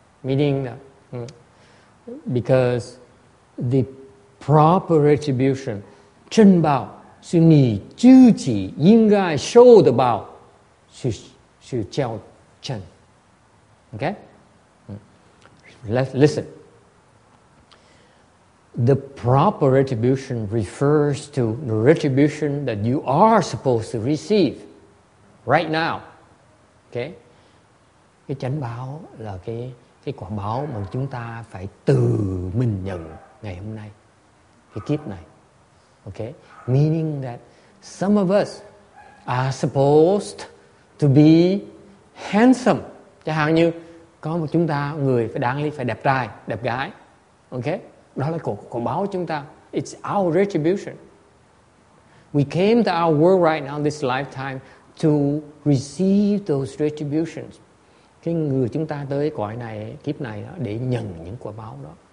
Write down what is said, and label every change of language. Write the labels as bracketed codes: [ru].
[en] Meaning that, because the proper retribution, [zh] 正报, 是你自己应该受的报, 是叫正. [en] Okay? Let's listen. The proper retribution refers to the retribution that you are supposed to receive right now. Okay? [vi] Cái chánh báo là cái quả báo mà chúng ta phải tự mình nhận ngày hôm nay, cái kiếp này. [en] Okay? Meaning that some of us are supposed to be handsome. [vi] Chẳng hạn như có một chúng ta người phải đáng lý phải đẹp trai, đẹp gái. Okay? Đó là quả báo chúng ta. [en] It's our retribution. We came to our world right now, this lifetime, to receive those retributions. [vi] Cái người chúng ta tới cõi này, kiếp này đó, để nhận những quả báo đó.